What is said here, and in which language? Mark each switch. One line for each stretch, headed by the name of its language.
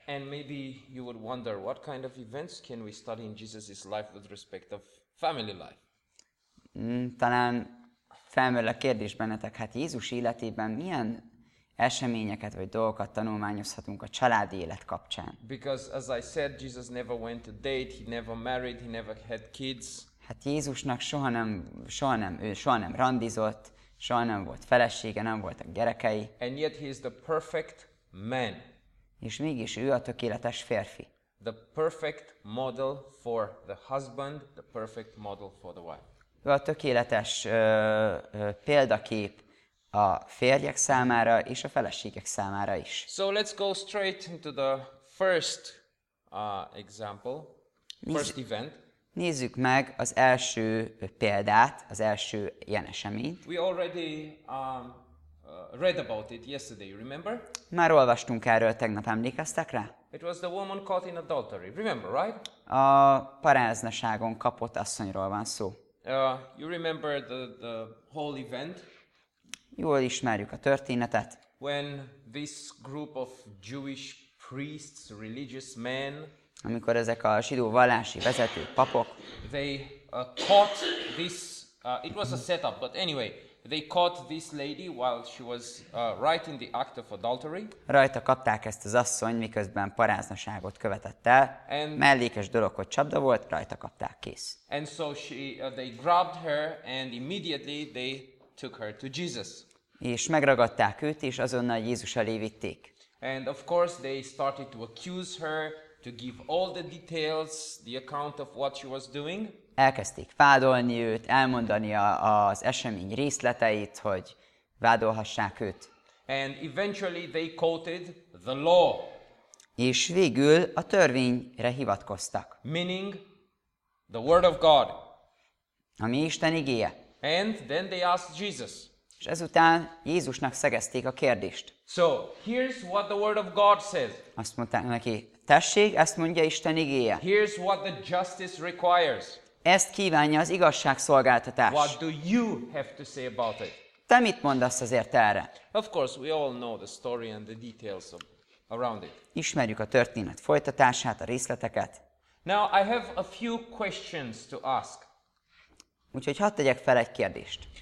English: And maybe you would wonder what kind of events can we study in Jesus's life with respect of family life.
Hungarian: Talán felmerül a kérdés bennetek, hát Jézus életében milyen eseményeket vagy dolgokat tanulmányozhatunk a családi élet kapcsán.
English: Because as I said, Jesus never went a date, he never married, he never had kids.
Hungarian: Hát Jézusnak soha nem randizott. Soha nem volt felesége, nem voltak gyerekei.
English: And yet he is the perfect man.
Hungarian: És mégis ő a tökéletes férfi.
English: The perfect model for the husband, the perfect model for the wife.
Hungarian: Ő a tökéletes példakép a férjek számára és a feleségek számára is.
English: So let's go straight into the first example, first event.
Hungarian: Nézzük meg az első példát, az első ilyen eseményt.
English: We already read about it yesterday, remember?
Hungarian: Már olvastunk erről tegnap, emlékeztek rá?
English: It was the woman caught in adultery, remember, right?
Hungarian: A paráznaságon kapott asszonyról van szó.
English: You remember the whole event?
Hungarian: Jól ismerjük a történetet.
English: When this group of Jewish priests, religious men,
Hungarian: amikor ezek a zsidó vallási vezető papok,
English: they caught this it was a setup, but anyway, they caught this lady while she was right in the act of adultery.
Hungarian: Rajta kapták ezt az asszony, miközben paráznaságot követett el. Mellékes dolog, hogy csapda volt, rajta kapták, kész.
English: And so they grabbed her and immediately they took her to Jesus.
Hungarian: És megragadták őt, és azonnal Jézus elé vitték.
English: And of course they started to accuse her, to give all the details, the account of what she was doing.
Hungarian: Elkezdték vádolni őt, elmondani az esemény részleteit, hogy vádolhassák őt.
English: And eventually they quoted the law.
Hungarian: És végül a törvényre hivatkoztak.
English: Meaning the word of God.
Hungarian: Ami Isten igéje.
English: And then they asked Jesus.
Hungarian: És ezután Jézusnak szegezték a kérdést.
English: So, here's what the word of God says.
Hungarian: Azt mondták neki, tessék, ezt mondja Isten igéje.
English: Here's what the justice requires.
Hungarian: Ezt kívánja az igazságszolgáltatás.
English: What do you have to say about it?
Hungarian: Te mit mondasz azért erre?
English: Of course, we all know the story and the details around it.
Hungarian: Ismerjük a történet folytatását, a részleteket.
English: Now, I have a few questions to ask.
Hungarian: Úgyhogy hadd tegyek fel egy kérdést.